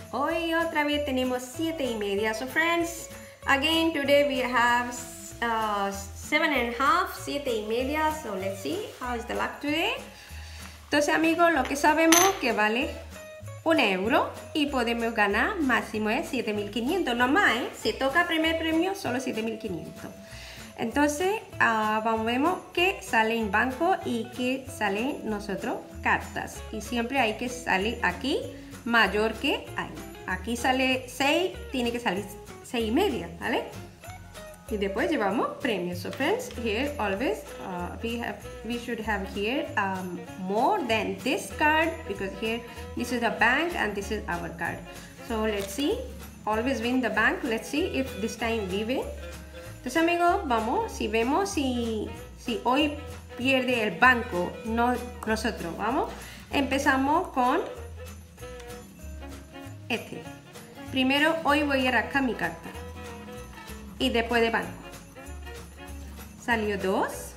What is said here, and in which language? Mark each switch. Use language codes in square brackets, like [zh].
[es] Hoy otra vez tenemos 7:30, [en] so friends. Again, today we have 7:30, 7:30, so let's see how is the luck today. [es] Entonces, amigos, lo que sabemos que vale 1 euro y podemos ganar máximo es 7.500. Nomás, ¿eh? Si toca primer premio, solo 7.500. Entonces, vamos a ver qué sale en banco y qué sale en nosotros cartas. Y siempre hay que salir aquí mayor que ahí. Aquí sale 6, tiene que salir 6.5, ¿vale? Y después llevamos premios. [en] So friends, here always we should have here more than this card, because here this is the bank and this is our card. So let's see, always win the bank. Let's see if this time we win. [es] Entonces, amigos, vamos, si vemos si hoy pierde el banco, no nosotros, vamos. Empezamos con este. Primero, hoy voy a rascar mi carta. Y después de banco. Salió 2.